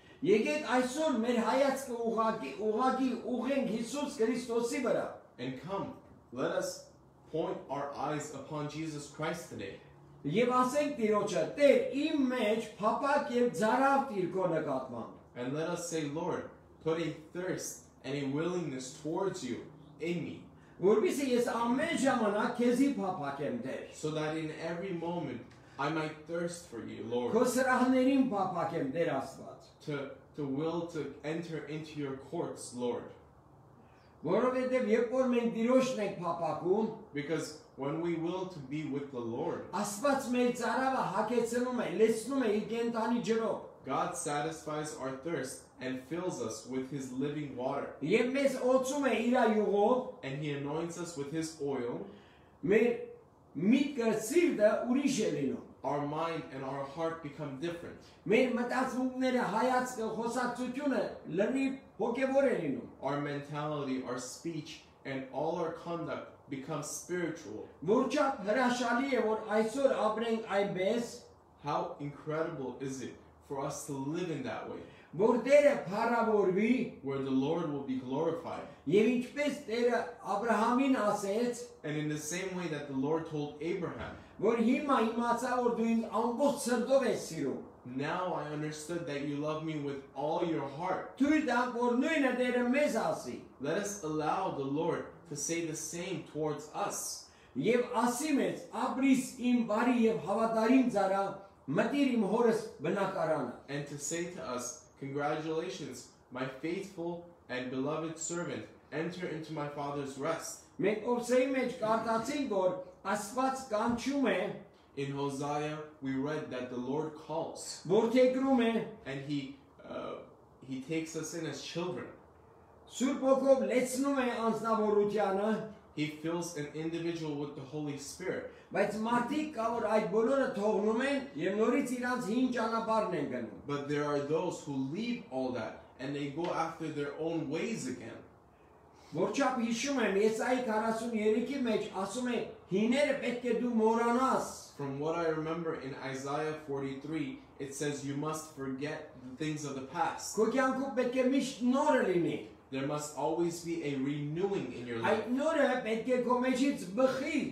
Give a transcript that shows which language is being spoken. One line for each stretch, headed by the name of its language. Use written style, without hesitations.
Armenian: Եկեք այսօր մեր հայացքը ուղղակի ուղենք Հիսուս Քրիստոսի վրա.
English: And come, let us point our eyes upon Jesus Christ today.
Armenian: Եվ ասենք Տիրոջը, Տեր, իմ մեջ փափաք եւ ձարավ Տիր քո նկատմամբ.
English: And let us say, Lord, put a thirst and a willingness towards you in me.
Armenian: Որպեսզի ես ամեն ժամանակ քեզի փափակեմ, Տեր.
English: So that in every moment I might thirst for you, Lord.
Armenian: Քո սրահներին փափակեմ, Տեր Աստված.
English: To will to enter into your courts, Lord.
Armenian: Որովհետև երբ որ մենք Տիրոջն ենք փափակում,
English: because when we will to be with the Lord,
Armenian: Աստված մեր ծարավը հագեցնում է, լեցնում է իր կենդանի ջրով.
English: God satisfies our thirst and fills us with his living water.
Armenian: Եվ մեզ օծում է իր յուղով,
English: and he anoints us with his oil.
Armenian: Մեր միտքը սիրտը ուրիշ է լինում.
English: Our mind and our heart become different.
Armenian: Մեր մտածումները, հայացքը, խոսակցությունը լրի հոգևոր է լինում.
English: Our mentality, our speech and all our conduct become spiritual.
Armenian: Որքան հրաշալի է, որ այսօր ապրենք այնպես.
English: How incredible is it for us to live in that way?
Armenian: Որ Տերը փառավորվի,
English: where the Lord will be glorified.
Armenian: Եվ ինչպես Տերը Աբրահամին ասեց,
English: and in the same way that the Lord told Abraham,
Armenian: որ հիմա իմացա, որ դու ինձ ամբողջ սրտով ես սիրում.
English: Now I understood that you love me with all your heart.
Armenian: Դու դան որ նույնը Տերը մեզ ասի.
English: Let us allow the Lord to say the same towards us.
Armenian: Եվ ասի մեզ, ապրիս իմ բարի եւ հավատարիմ ծառա, մտիր իմ հորս բնակարանը.
English: And to say to us, congratulations, my faithful and beloved servant, enter into my father's rest.
Armenian: Մենք Օսեի մեջ կարդացինք, որ Աստված կանչում է.
English: In Hosea, we read that the Lord calls.
Armenian: Որդեգրում է.
English: And he takes us in as children.
Armenian: Սուրբ Օգով լեցնում է անձնավորությանը.
English: He fills an individual with the Holy Spirit.
Armenian: Բայց մարդիկ կա, որ այդ բոլորը թողնում են եւ նորից իրանց հին ճանապարհն են գնում.
English: But there are those who leave all that and they go after their own ways again.
Armenian: Որչափ հիշում եմ, Եսայի 43-ի մեջ ասում է, հիները պետք է դու մոռանաս.
English: From what I remember in Isaiah 43, it says you must forget the things of the past.
Armenian: Քո կյանքում պետք է միշտ նորը լինի.
English: There must always be a renewing in your life.
Armenian: Այդ նորը պետք է քո մեջից բխի.